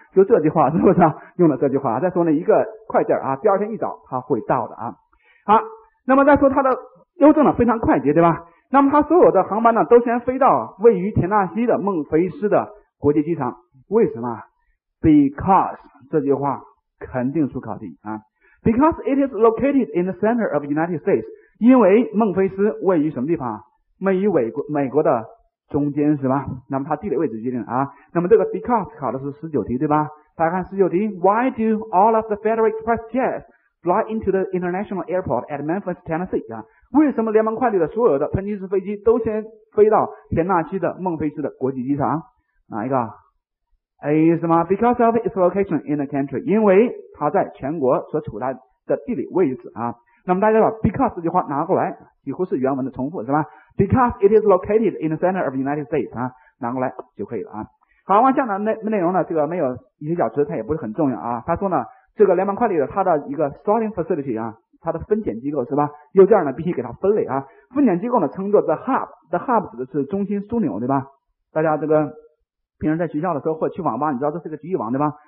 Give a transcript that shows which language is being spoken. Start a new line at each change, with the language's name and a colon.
Chinese: 就这句话，是不是啊？用了这句话。再说呢，一个快件啊，第二天一早他会到的啊。好，那么再说他的优等呢，非常快捷，对吧？那么他所有的航班呢，都先飞到位于田纳西的孟菲斯的国际机场，为什么 ？Because 这句话肯定出考题啊。
English: Because it is located in the center of the United States，
Chinese: 因为孟菲斯位于什么地方？位于美国的中间是吧？那么它地理位置决定啊。那么这个 because 考的是19题对吧？大家看19题
English: ，Why do all of the Federal Express jets fly into the International Airport at Memphis, Tennessee？
Chinese: 啊，为什么联邦快递的所有的喷气式飞机都先飞到田纳西的孟菲斯的国际机场？哪一个 A 是吗？
English: Because of its location in the country，
Chinese: 因为它在全国所处在的地理位置啊。那么大家把 because 这句话拿过来，几乎是原文的重复是吧？
English: Because it is located in the center of the United States
Chinese: 啊，拿过来就可以了啊。好，往下呢，内容呢这个没有一些小词，它也不是很重要啊。他说呢，这个联邦快递的它的一个 sorting facility 啊，它的分拣机构是吧，邮件呢必须给它分类啊。分拣机构呢称作 the hub， the hub 指的是中心枢纽对吧？大家这个平时在学校的时候或者去网吧，你知道这是个局域网对吧？